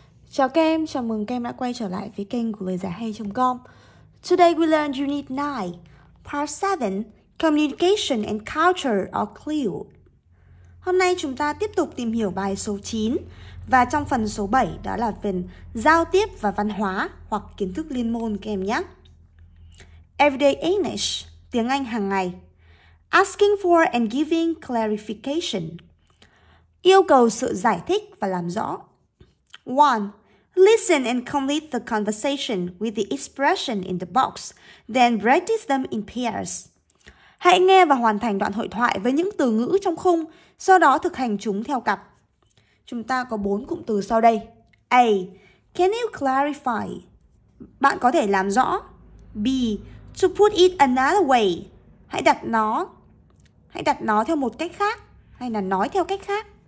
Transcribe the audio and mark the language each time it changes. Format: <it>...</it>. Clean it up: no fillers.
<vi>Chào các em, chào mừng các em đã quay trở lại với kênh của LờiGiảiHay.com.</vi> <en>Today we learn Unit 9, Part 7, Communication and Culture of Clio.</en> <vi>Hôm nay chúng ta tiếp tục tìm hiểu bài số 9 và trong phần số 7 đó là phần giao tiếp và văn hóa hoặc kiến thức liên môn các em nhé.</vi> <en>Everyday English,</en> <vi>tiếng Anh hàng ngày.</vi> <en>Asking for and giving clarification.</en> <vi>Yêu cầu sự giải thích và làm rõ. 1.</vi> <en>Listen and complete the conversation with the expression in the box, then practice them in pairs.</en> <vi>Hãy nghe và hoàn thành đoạn hội thoại với những từ ngữ trong khung, sau đó thực hành chúng theo cặp. Chúng ta có 4 cụm từ sau đây. A.</vi> <en>Can you clarify?</en> <vi>Bạn có thể làm rõ. B.</vi> <en>To put it another way.</en> <vi>Hãy đặt nó theo một cách khác, hay là nói theo cách khác.</vi>